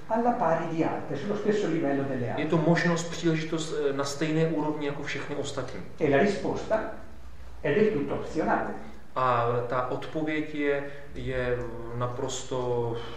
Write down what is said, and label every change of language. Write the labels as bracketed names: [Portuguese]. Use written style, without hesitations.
[Italian] alla pari di altre, sullo stesso livello delle altre. [Czech] Je to možnost, příležitost na stejné úrovni jako všechny ostatní. [Italian] E la risposta è del tutto opzionale. [Czech] A ta odpověď je naprosto